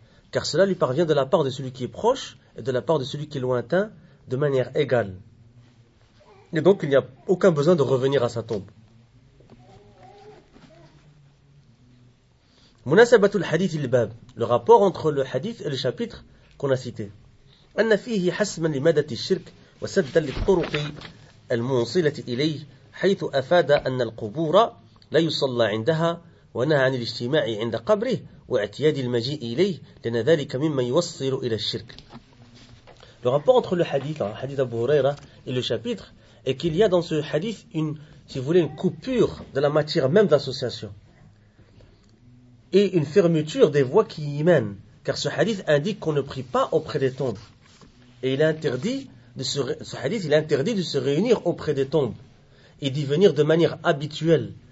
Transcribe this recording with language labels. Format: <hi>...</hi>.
<fr>Car cela lui parvient de la part de celui qui est proche et de la part de celui qui est lointain, de manière égale. Et donc il n'y a aucun besoin de revenir à sa tombe.</fr> <ar>Munasabatul hadith il-bab,</ar> <fr>le rapport entre le hadith et le chapitre qu'on a cité.</fr> <ar>أن فيه حسما لمادة الشرك وسدا للطرق الموصلة إليه حيث أفاد أن القبور لا يصلى عندها ونهى عن الاجتماع عند قبره واعتياد المجيء إليه لأن ذلك مما يوصل إلى الشرك.</ar> <fr>Le rapport entre le hadith, le hadith d'Abu Huraira et le chapitre est qu'il y a dans ce hadith une, si vous voulez, une coupure de la matière même d'association et une fermeture des voies qui y mènent. Car ce hadith indique qu'on ne prie pas auprès des tombes. Et il est interdit de se réunir auprès des tombes et d'y venir de manière habituelle.</fr>